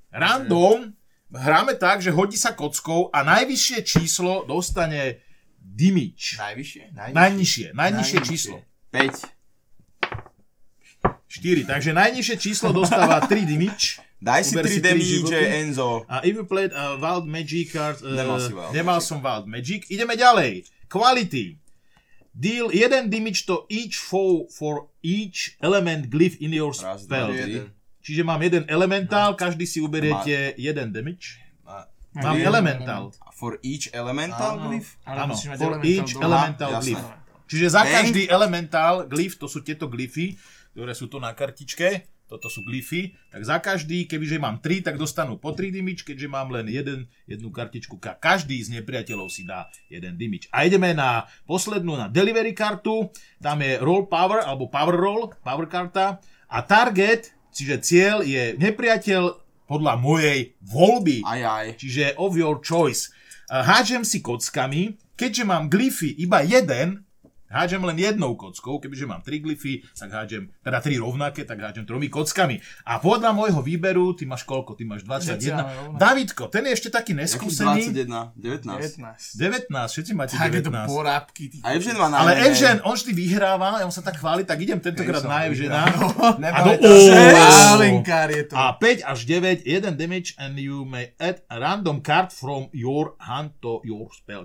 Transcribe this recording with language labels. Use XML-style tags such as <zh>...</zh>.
<sk>Random, hráme tak, že hodí sa kockou a najvyššie číslo dostane damage. Najnižšie číslo. 5. 4, takže najnižšie číslo dostáva 3 damage. Daj si 3 damage, Enzo.</sk> <en>A if you played a wild magic card,</en> <sk>nemal som wild magic. Ideme ďalej. Quality.</sk> <en>Deal 1 damage to each foe for each element glyph in your spell.</en> <sk>Čiže mám jeden elementál, každý si uberiete jeden damage. Mám elementál.</sk> <en>For each elemental glyph?</en> <sk>Áno,</sk> <en>for each elemental glyph.</en> <sk>Čiže za každý elementál glyph, to sú tieto glyphy, ktoré sú to na kartičke, toto sú glyfy, tak za každý, kebyže mám 3, tak dostanú po 3 damage, keďže mám len jednu kartičku. Každý z nepriateľov si dá jeden damage. A ideme na poslednú, na delivery kartu, tam je roll power, alebo power roll, power karta, a target, čiže cieľ je nepriateľ podľa mojej voľby, aj. Čiže</sk> <en>of your choice.</en> <sk>Hádžem si kockami, keďže mám glyfy iba jeden, hádžem len jednou kockou, kebyže mám 3 glyfy, tak hádžem, teda 3 rovnaké, tak hádžem 3 kockami. A podľa môjho výberu, ty máš koľko? Ty máš 21. Davidko, ten je ešte taký neskúsený. Jaký 21? 19. 19, všetci máte 19. Také to porábky. A Evžen má ale Evžen, on vždy vyhráva, ja on sa tak chváli, tak idem tentokrát na Evžena. A do Alenkár je to.</sk> <en>A 5 až 9, 1 damage and you may add a random card from your hand to your spell.</en>